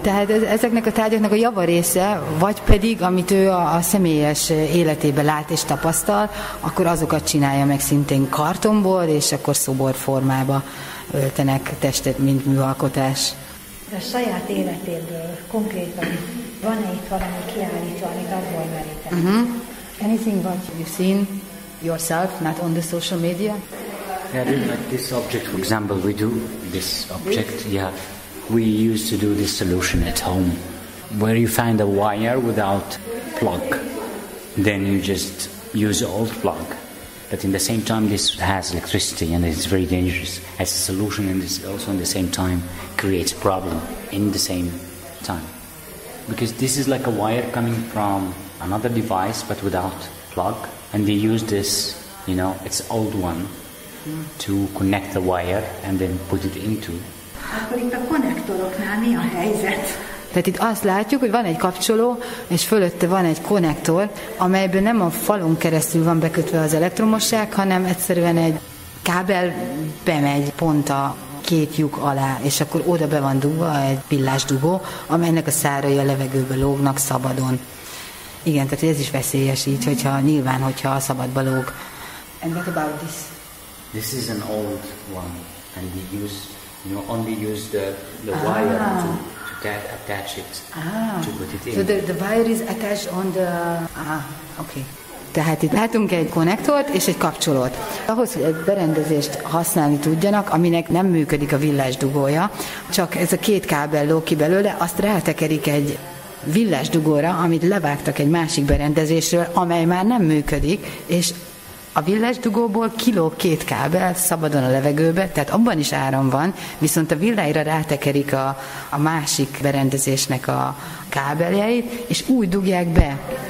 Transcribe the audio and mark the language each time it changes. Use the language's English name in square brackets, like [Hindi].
[Hungarian] Tehát ezeknek a tárgyaknak a javarésze, vagy pedig, amit ő a személyes életében lát és tapasztal, akkor azokat csinálja meg szintén kartonból, és akkor szoborformába öltenek testet, mint műalkotás. A saját életéből konkrétan van-e itt valami kiállítva, amit abból merítek? Uh-huh. [English] Anything what you've seen yourself, not on the social media? Yeah, like this object, for example, we do this object, yeah. We used to do this solution at home, where you find a wire without plug, then you just use old plug. But in the same time, this has electricity and it's very dangerous as a solution, and this also in the same time creates problem in the same time. Because this is like a wire coming from another device, but without plug, and they use this, you know, it's old one, to connect the wire and then put it into. [Hungarian] Akkor itt a konnektoroknál mi a helyzet? Tehát itt azt látjuk, hogy van egy kapcsoló, és fölötte van egy konnektor, amelyben nem a falon keresztül van bekötve az elektromosság, hanem egyszerűen egy kábel bemegy pont a két lyuk alá, és akkor oda be van dugva egy villásdugó, amelynek a szárai a levegőbe lógnak szabadon. Igen, tehát ez is veszélyes így, hogyha nyilván, hogyha a szabadba lóg. [English] And what about this? This is an old one, and we use, you know, only use the wire to attach it, to put it in. So the wire is attached on the... okay. [Hungarian] Tehát itt látunk egy konnektort és egy kapcsolót. Ahhoz, hogy egy berendezést használni tudjanak, aminek nem működik a villásdugója, csak ez a két kábel lóg ki belőle, azt rátekerik egy villásdugóra, amit levágtak egy másik berendezésről, amely már nem működik, és a villásdugóból kilóg két kábel szabadon a levegőbe, tehát abban is áram van, viszont a villájra rátekerik a másik berendezésnek a kábeljeit, és úgy dugják be.